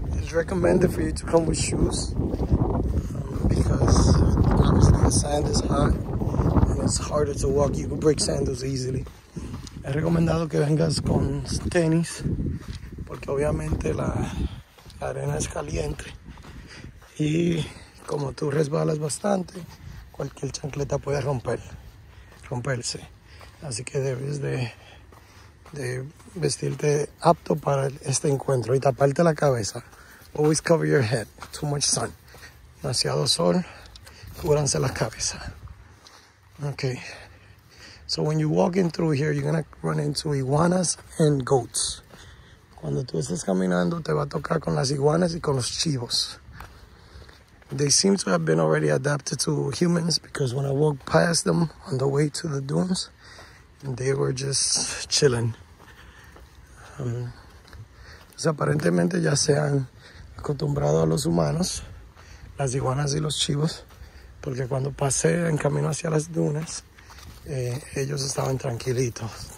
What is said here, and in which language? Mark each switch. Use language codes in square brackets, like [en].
[en] Recommended for you to come with shoes because obviously the sand is hot and it's harder to walk. You can break sandals easily. [es] Es recomendado que vengas con tenis porque obviamente la arena es caliente y como tú resbalas bastante, cualquier chancleta puede romperse. Así que debes de vestirte apto para este encuentro y taparte la cabeza. [en] Always cover your head. Too much sun. [es] Demasiado sol. Cúbranse la cabeza. Okay. [en] So when you walk in through here, you're going to run into iguanas and goats. [es] Cuando tú estés caminando, te va a tocar con las iguanas y con los chivos. [en] They seem to have been already adapted to humans because when I walked past them on the way to the dunes, they were just chilling. [es] Entonces, aparentemente ya se han acostumbrado a los humanos, las iguanas y los chivos, porque cuando pasé en camino hacia las dunas, ellos estaban tranquilitos.